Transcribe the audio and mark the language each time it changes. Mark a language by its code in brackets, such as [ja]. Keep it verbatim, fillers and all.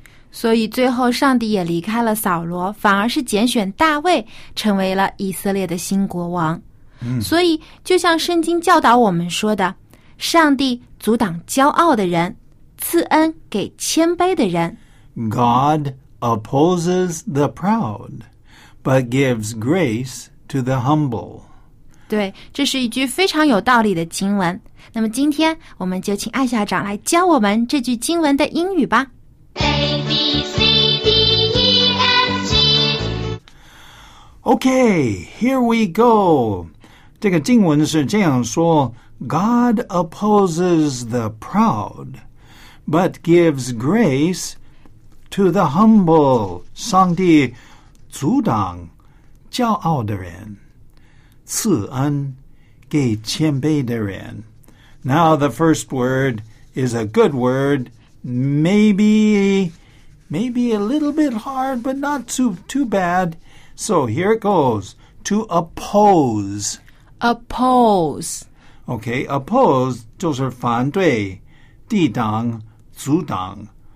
[zh] 所以最后上帝也离开了扫罗，反而是拣选大卫成为了以色列的新国王。嗯，所以就像圣经教导我们说的，上帝阻挡骄傲的人，赐恩给谦卑的人。 [en] God opposes the proud, but gives grace to the humble. [zh] 对，这是一句非常有道理的经文。那么今天我们就请艾校长来教我们这句经文的英语吧。 [en] A, B, C, D, E, F, G. Okay, here we go. [zh] 这个经文是这样说 [en] God opposes the proud, but gives grace to the humble. [zh] 上帝阻挡骄傲的人，赐恩给谦卑的人。 [en] Now the first word is a good word, maybe maybe a little bit hard, but not too too bad. So here it goes, to oppose. Oppose. [zh] Okay, oppose 就是反对、抵挡、阻挡。